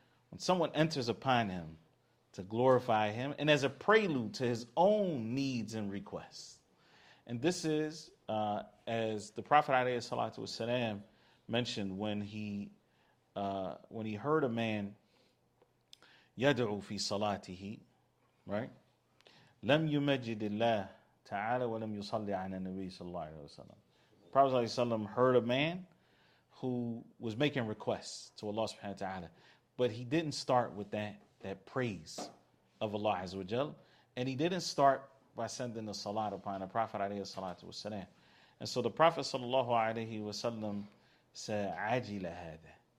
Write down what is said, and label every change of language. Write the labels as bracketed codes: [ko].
[en] When someone enters upon him to glorify him, and as a prelude to his own needs and requests, and this is as the Prophet alayhi salatu wasalam mentioned when he heard a man [ar] yad'u fi salatihi, [en] right? [ar] لم يمجد الله تعالى ولم يصلي على النبي صلى الله عليه وسلم. [en] Prophet Sallallahu Alaihi Wasallam heard a man who was making requests to Allah subhanahu wa ta'ala. But he didn't start with that praise of Allah Azza wa Jal. And he didn't start by sending the salat upon the Prophet alayhi salatu wasalam. And so the Prophet sallallahu alayhi wa sallam said, [ar] "Ajila hada."